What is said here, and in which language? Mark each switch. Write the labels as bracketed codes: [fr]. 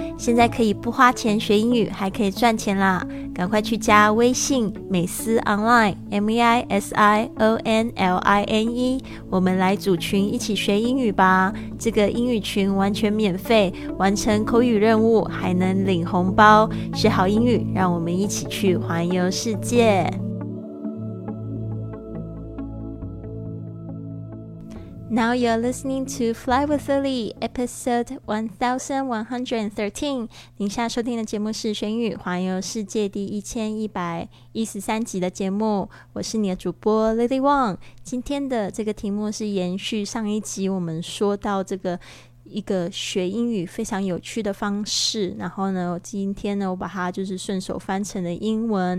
[zh] 现在可以不花钱学英语，还可以赚钱啦！赶快去加微信美思 online MEISIONLINE， 我们来组群一起学英语吧。这个英语群完全免费，完成口语任务还能领红包，学好英语，让我们一起去环游世界。 [en] Now you're listening to Fly with Lily, episode 1113. [zh] 您现在收听的节目是《学英语环游世界》第1113集的节目。我是你的主播 Lily Wong。今天的这个题目是延续上一集我们说到这个一个学英语非常有趣的方式，然后呢，今天呢，我把它就是顺手翻成了英文。